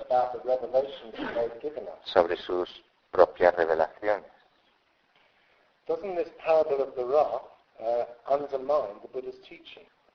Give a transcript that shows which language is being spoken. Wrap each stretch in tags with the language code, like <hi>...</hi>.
<en>about the revelations they've given us,</en> <es>sobre sus propias revelaciones.</es> <en>Doesn't this parable of the rock undermine the Buddha's teaching?</en>